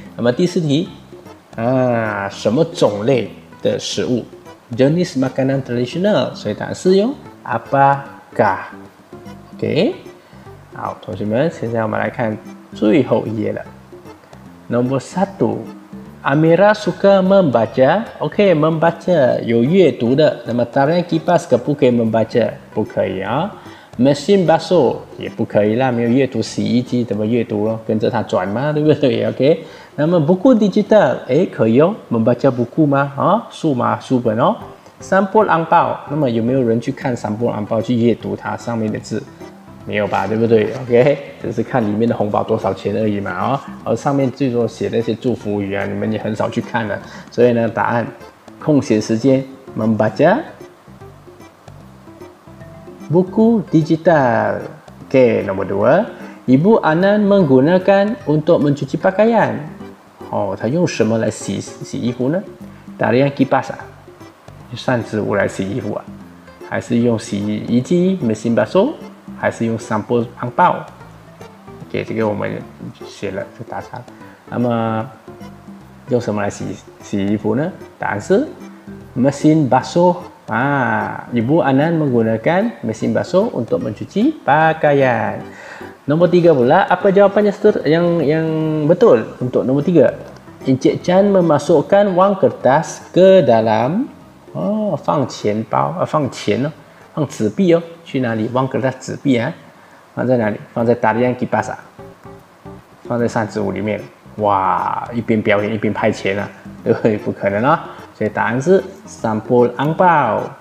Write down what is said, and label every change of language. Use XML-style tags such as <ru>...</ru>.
<zh>那么第四题啊，什么种类的食物</zh> <ms>jenis makanan traditional，</ms> <zh>所以答案是用 apakah OK， 好，同学们，现在我们来看最后一页了。</zh> <ms>Nomor satu， Amira suka membaca。</ms> <zh>OK， membaca 有阅读的。那么</zh> <ms>tarian kipas ke bukan membaca，</ms> <zh>不可以啊。 Mesin basuh 也不可以啦，没有阅读洗衣机怎么阅读咯？跟着它转嘛，对不对 ？OK， 那么 buku digital， 哎，可以哦。</zh> <ms>membaca buku</ms> <zh>吗？啊，数码书本哦。 sample ang bao， 那么有没有人去看 sample ang bao 去阅读它上面的字？没有吧，对不对 ？OK， 只是看里面的红包多少钱而已嘛，哦，而上面最多写那些祝福语啊，你们也很少去看的。所以呢，答案空闲时间 membaca buku digital。</zh> <ms>OK， nomor dua， ibu Anan menggunakan untuk mencuci pakaian。</ms> <zh>哦，他用什么来洗衣服呢？tarian kipas啊。扇子我来洗衣服啊，还是用洗衣机 machine basuh， 还是用 sample ang bao？ OK， 这个我们写了就打叉。那么用什么来洗衣服呢？答案是 machine basuh 啊。</zh> <ms>Ibu Anan menggunakan machine basuh untuk mencuci pakaian。 Nomor tiga pula， apa jawapannya yang betul untuk nomor tiga？ Encik Chan memasukkan wang kertas ke dalam。</ms> <zh>哦，放钱包啊，放钱哦，放纸币哦，去哪里？忘给他纸币啊，放在哪里？放在tarian kipas，放在扇子屋里面。哇，一边表演一边派钱啊，对不对？不可能啊，所以答案是 sample ang bao。</zh>